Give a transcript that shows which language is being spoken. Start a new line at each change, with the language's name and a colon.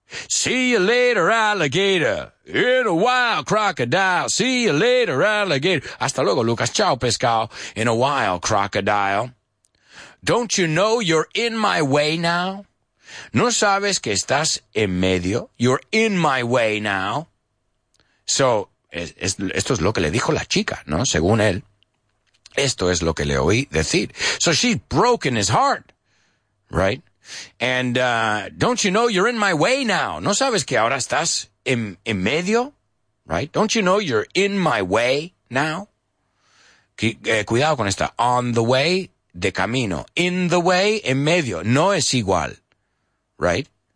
English: See you later, alligator. In a while, crocodile. See you later, alligator.
Spanish: Hasta luego, Lucas.
English: Ciao, pescao. In a while, crocodile. Don't you know you're in my way now?
Spanish: ¿No sabes que estás en medio?
English: You're in my way now.
Spanish: So, esto es lo que le dijo la chica, ¿no? Según él, esto es lo que le oí decir.
English: So she's broken his heart, right? And don't you know you're in my way now?
Spanish: ¿No sabes que ahora estás en medio?
English: Right? Don't you know you're in my way now?
Spanish: Cuidado con esta.
English: On the way,
Spanish: de camino.
English: In the way,
Spanish: en medio. No es igual. Right?